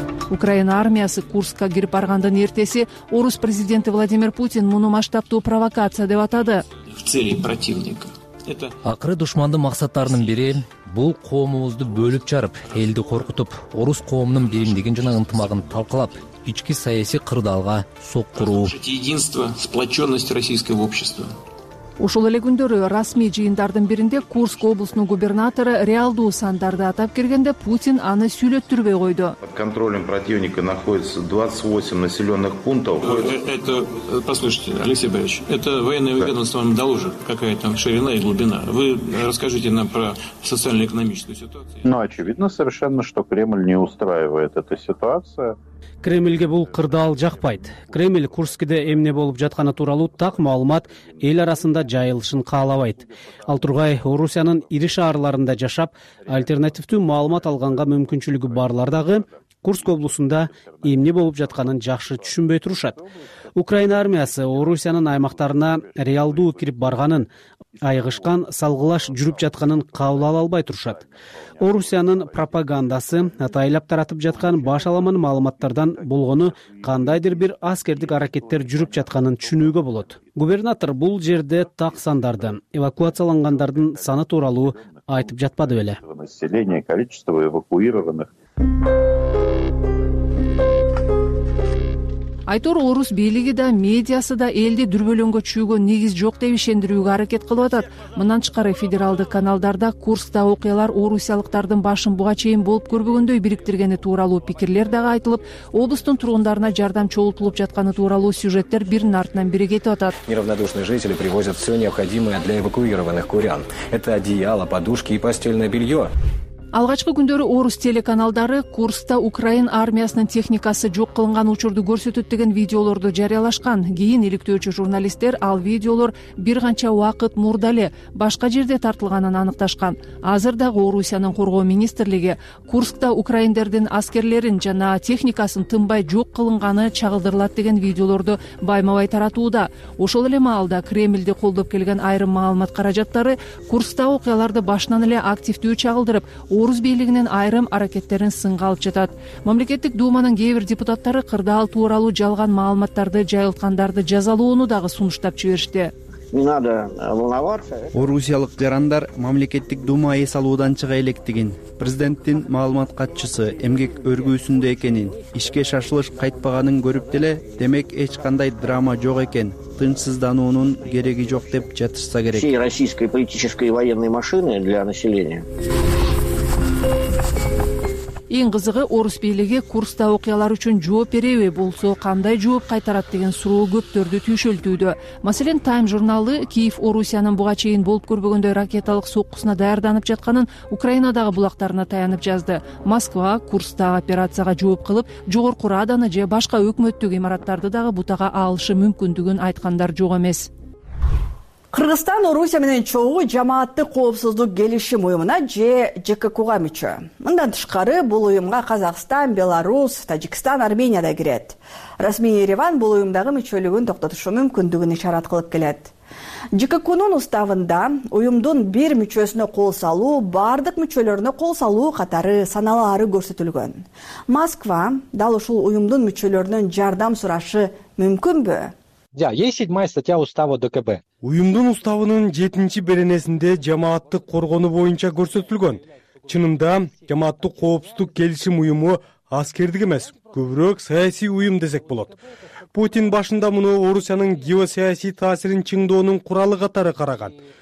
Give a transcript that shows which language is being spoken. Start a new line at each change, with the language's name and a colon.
Kyrgyz: Украина армиясы Курска кирип баргандын эртеси орус президенти Владимир Путин муну масштабтуу провокация деп атады.
Russian: В цели противника.
Kyrgyz: Акыры душмандын максаттарынын бири бул коомубузду бөлүп чарып, элди коркутуп, орус коомунун биримдигин жана ынтымагын талкалап, ички саясий кырдаалга соктуруу.
Russian: Единство, сплочённость российского общества.
Kyrgyz: Ушул эле күндөрү расмий жыйындардын биринде Курск облусунун губернатору реалдуу сандарды атап киргенде Путин аны сүйлөттүрбөй койду.
Russian: Под контролем противника находится 28 населенных пунктов. Это, послушайте, Алексей Борисович, это военное ведомство вам доложит, какая там ширина и глубина. Вы расскажите нам про социально-экономическую ситуацию. Ну, очевидно совершенно, что Кремль не устраивает эта ситуация.
Kyrgyz: Кремльге бул кырдаал жакпайт. Кремль Курскиде эмне болуп жатканы тууралуу так маалымат эл арасында жайылышын каалабайт. Ал тургай Орусиянын ири шаарларында жашап, альтернативдүү маалымат алганга мүмкүнчүлүгү барлар дагы Курск облусунда эмне болуп жатканын жакшы түшүнбөй турушат. Украина армиясы Орусиянын аймактарына реалдуу кирип барганын, айгышкан салгылаш жүрүп жатканын кабыл ала албай турушат. Орусиянын пропагандасы атайылап таратып жаткан баш аламан маалыматтардан болгону кандайдыр бир аскердик аракеттер жүрүп жатканын түшүнүүгө болот. Губернатор бул жерде так сандарды, эвакуациялангандардын саны тууралуу айтып жатпады беле.
Russian: Население, количество эвакуированных.
Kyrgyz: Айтор орус бийлиги да, медиасы да элди дүрбөлөңгө чүйгөн негиз жок деп ишендирүүгө аракет кылып атат. Мындан тышкары федералдык каналдарда Курскта окуялар орусиялыктардын башын буга чейин болуп көрбөгөндөй бириктиргени тууралуу пикирлер дагы айтылып, облустун тургундарына жардам чогултулуп жатканы тууралуу сюжеттер бирин артынан бири кетип атат.
Russian: Неравнодушные жители привозят все необходимое для эвакуированных курян. Это одеяло, подушки и постельное белье.
Kyrgyz: Алгачкы күндөрү орус телеканалдары Курскта Украин армиясынын техникасы жок кылынган учурду көрсөтөт деген видеолорду жарыялашкан. Кийин иликтөөчү журналисттер ал видеолор бир канча убакыт мурда эле башка жерде тартылганын аныкташкан. Азыр дагы Орусиянын коргоо министрлиги Курскта украиндердин аскерлерин жана техникасын тынбай жок кылынганы чагылдырылат деген видеолорду байма-бай таратууда. Ошол эле маалда Кремльди колдоп келген айрым маалымат каражаттары Курскта окуяларды башынан эле активдүү чагылдырып, орус бийлигинин айрым аракеттерин сынга алып жатат. Мамлекеттик дууманын кээ бир депутаттары кырдаал тууралуу жалган маалыматтарды жайылткандарды жазалоону дагы сунуштап жиберишти. Орусиялык жарандар мамлекеттик дума эс алуудан чыга электигин, президенттин маалымат катчысы эмгек өргүүсүндө экенин, ишке шашылыш кайтпаганын көрүп деле, демек эч кандай драма жок экен, тынчсыздануунун кереги жок деп жатышса керек.
Russian: Всей российской политической военной машины для населения.
Kyrgyz: Эң кызыгы орус бийлиги Курскта окуялар үчүн жооп береби, болсо кандай жооп кайтарат деген суроо көптөрдү түйшөлтүүдө. Маселен, Time журналы Киев Орусиянын буга чейин болуп көрбөгөндөй ракеталык соккусуна даярданып жатканын Украинадагы булактарына таянып жазды. Москва Курскта операцияга жооп кылып, Жогорку Раданы же башка өкмөттүк имараттарды дагы бутага алышы мүмкүндүгүн айткандар жок эмес. Кыргызстан Орусия менен чогуу жамааттык коопсуздук келишим уюмуна же ЖККУга мүчө. Мындан тышкары бул уюмга Казакстан, Беларус, Тажикстан, Армения да кирет. Расмий Ереван бул уюмдагы мүчөлүгүн токтотушу мүмкүндүгүн ишарат кылып келет. ЖККУнун уставында уюмдун бир мүчөсүнө кол салуу бардык мүчөлөрүнө кол салуу катары саналары көрсөтүлгөн. Москва дал ушул уюмдун мүчөлөрүнөн жардам сурашы мүмкүнбү?
Russian: Да, есть 7-я статья устава ДКБ.
Kyrgyz: Уюмдун уставынын 7-чи беренесинде жамааттык коргоону боюнча көрсөтүлгөн. Чынында жамааттык коопсуздук келишим уюму аскердик эмес, көбүрөөк саясий уюм десек болот. Путин башында муну Орусиянын геосаясий таасирин чыңдоонун куралы катары караган.